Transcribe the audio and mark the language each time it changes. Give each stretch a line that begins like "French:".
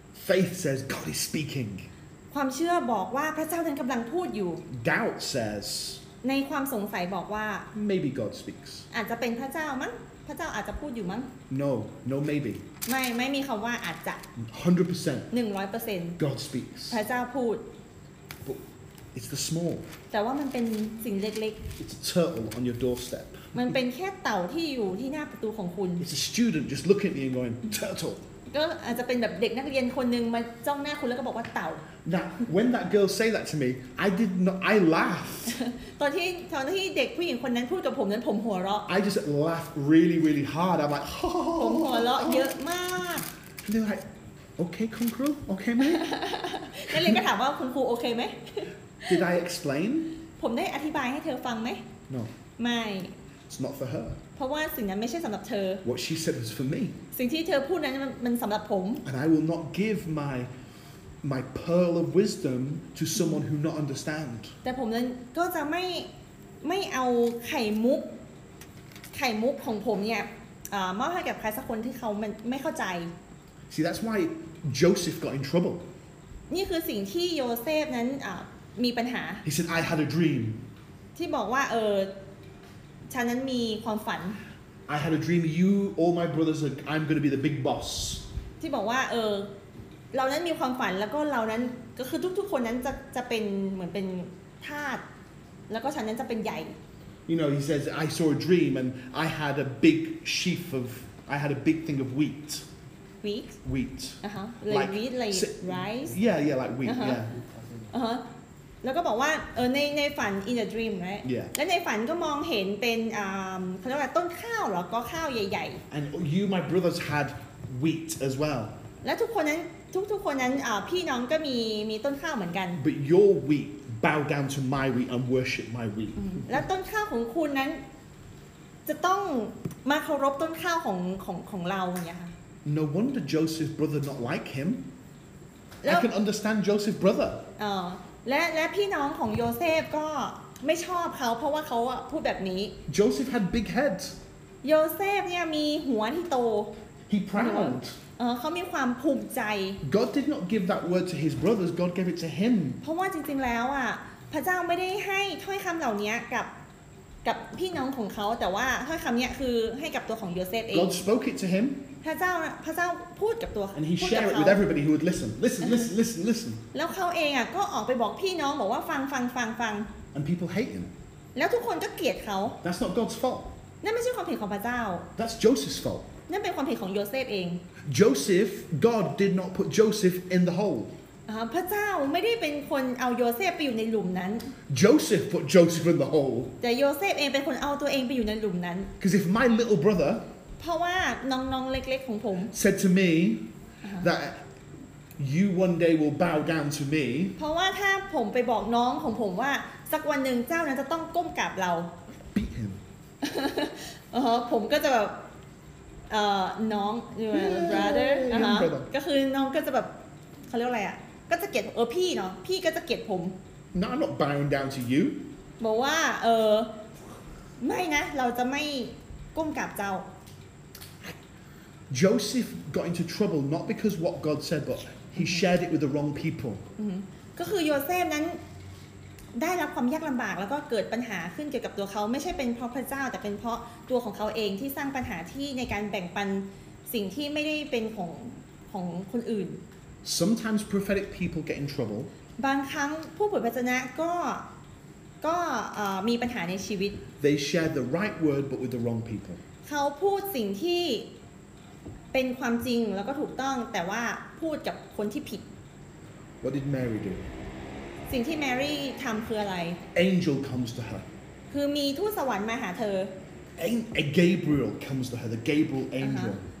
English: Faith says God is speaking.
Thai: ความเชื่อบอกว่าพระเจ้านั้นกำลังพูดอยู่
English: Doubt says.
Thai: ในความสงสัยบอกว่า
English: Maybe God speaks.
Thai: อาจจะเป็นพระเจ้ามั้ง พระเจ้าอาจจะพูดอยู่มั้ง
English: No no maybe
Thai: ไม่มีคำว่าอาจจะ 100% 100%
English: God speaks
Thai: พระเจ้าพูด
English: But it's the small
Thai: แต่ว่ามันเป็นสิ่งเล็ก
English: ๆ It's a turtle on your doorstep
Thai: มันเป็นแค่เต่าที่อยู่ที่หน้าประตูของคุณ
English: It's a student just looking at me and going turtle
Thai: ก็อาจจะเป็นแบบเด็กนักเรียนคนนึงมาจ้องหน้าคุณแล้วก็บอกว่าเต่า
English: Now when that girl say that to me I did not I laughed
Thai: ตอนที่เด็กผู้หญิงคนนั้นพูดกับผมนั้นผมหัวเราะ
English: I just laughed really really hard I'm like
Thai: ผมหัวเราะเยอะมาก
English: And they're like okay
Thai: คุณครูโอเคมั้ย นักเรียนก็ถามว่าคุณครูโอเคมั้ย
English: Did I explain
Thai: ผมได้อธิบายให้เธอฟังมั้ย
English: No
Thai: ไม่
English: It's not for her.
Thai: เพราะว่าสิ่งนั้นไม่ใช่สำหรับเธอ
English: What she said was for me.
Thai: สิ่งที่เธอพูดนั้นมันสำหรับผม
English: And I will not give my pearl of wisdom to someone who not understand.
Thai: แต่ผมนั้นก็จะไม่เอาไข่มุกของผมเนี่ยมอบให้กับใครสักคนที่เขาไม่เข้าใจ
English: See that's why Joseph got in trouble.
Thai: นี่คือสิ่งที่โยเซฟนั้นมีปัญหา
English: He said I had a dream.
Thai: ที่บอกว่าฉันนั้นมีความฝัน
English: I had a dream you all my brothers are, I'm going to be the big boss
Thai: ที่บอกว่าเรานั้นมีความฝันแล้วก็เรานั้นก็คือทุกๆคนนั้นจะเป็นเหมือนเป็นทาสแล้วก็ฉันนั้นจะเป็นใหญ่
English: You know he says I saw a dream and I had a big sheaf of I had a big thing of wheat Wheat uh-huh. like wheat like rice yeah like wheat uh-huh. yeah uh-huh.
Thai: แล้วก็บอกว่าในฝัน
English: in the dream
Thai: ไง
English: yeah.
Thai: และในฝันก็มองเห็นเป็นเขาเรียกว่าต้นข้าวหรอก็ข้าวใหญ่
English: ๆ and you my brothers had wheat as well
Thai: และทุกคนนั้นพี่น้องก็มีต้นข้าวเหมือนกัน
English: but your wheat bow down to my wheat and worship my wheat
Thai: และต้นข้าวของคุณนั้นจะต้องมาเคารพต้นข้าวของเราเนี่ยค่ะ
English: no wonder Joseph's brother not like him I can understand Joseph's brother
Thai: และพี่น้องของโยเซฟก็ไม่ชอบเขาเพราะว่าเขาพูดแบบนี้
English: Joseph had big head
Thai: โยเซฟเนี่ยมีหัวที่โต
English: He proud
Thai: เขามีความภูมิใจ
English: God did not give that word to his brothers God gave it to him
Thai: เพราะว่าจริงๆแล้วอ่ะพระเจ้าไม่ได้ให้ถ้อยคำเหล่านี้กับพี่น้องของเขาแต่ว่าถ้อยคำนี้คือให้กับตัวของโยเซฟเอง
English: God spoke it to him
Thai: พระเจ้าพูดกับตัว
English: And he shared it with everybody who would listen
Thai: แล้วเขาเองอ่ะก็ออกไปบอกพี่น้องบอกว่าฟัง
English: And people hate him
Thai: แล้วทุกคนก็เกลียดเขา
English: That's not God's fault
Thai: นั่นไม่ใช่ความผิดของพระเจ้า
English: That's Joseph's fault
Thai: นั่นเป็นความผิดของโยเซฟเอง
English: Joseph God did not put Joseph in the hole
Thai: พระเจ้าไม่ได้เป็นคนเอาโยเซฟไปอยู่ในหลุมนั้น
English: Joseph put Joseph in the hole
Thai: แต่โยเซฟเองเป็นคนเอาตัวเองไปอยู่ในหลุมนั้น
English: Because if my little brother
Thai: เพราะว่าน้องเล็กๆของผม
English: said to me that you one day will bow down to me
Thai: เพราะว่าถ้าผมไปบอกน้องของผมว่าสักวันหนึ่งเจ้านั้นจะต้องก้มกราบเรา
English: beat him
Thai: ผมก็จะแบบน้อง brother ก็คือน้องก็จะแบบเขาเรียกอะไรอ่ะก็จะเกลียดพี่เนาะพี่ก็จะเกลียดผม
English: no I'm not bowing down to you
Thai: บอกว่าไม่นะเราจะไม่ก้มกราบเจ้า
English: Joseph got into trouble not because what God said but he shared it with the wrong people
Thai: ก็คือโยเซฟนั้นได้รับความยากลำบากแล้วก็เกิดปัญหาขึ้นเกี่ยวกับตัวเขาไม่ใช่เป็นเพราะพระเจ้าแต่เป็นเพราะตัวของเขาเองที่สร้างปัญหาที่ในการแบ่งปันสิ่งที่ไม่ได้เป็นของคนอื่น
English: Sometimes prophetic people get in trouble
Thai: บางครั้งผู้เผยพระวจนะก็มีปัญหาในชีวิต
English: They shared the right word but with the wrong people
Thai: เขาพูดสิ่งที่เป็นความจริงแล้วก็ถูกต้องแต่ว่าพูดกับคนที่ผิด
English: What did Mary do?
Thai: สิ่งที่แมรี่ทำคืออะไร
English: Angel comes to her
Thai: คือมีทูตสวรรค์มาหาเธอ
English: A Gabriel comes to her, the Gabriel angel